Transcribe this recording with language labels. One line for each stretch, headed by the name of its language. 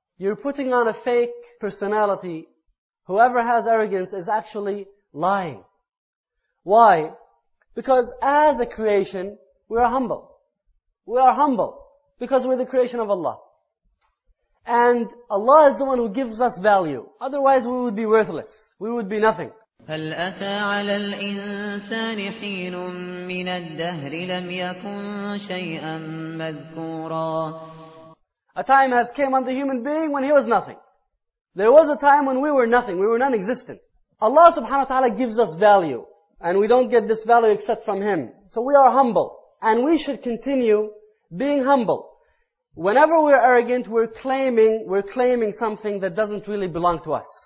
English: You're putting on a fake personality. Whoever has arrogance is actually lying. Why? Because as a creation, we are humble. We are humble because we're the creation of Allah. And Allah is the one who gives us value. Otherwise, we would be worthless. We would be nothing.
Arabic: هل أتى على الإنسان حين من الدهر لم يكن شيئا مذكورا.
English: A time has came on the human being when he was nothing. There was a time when we were nothing, we were non-existent. Allah subhanahu wa ta'ala gives us value, and we don't get this value except from Him. So we are humble, and we should continue being humble. Whenever we are arrogant, we're claiming something that doesn't really belong to us.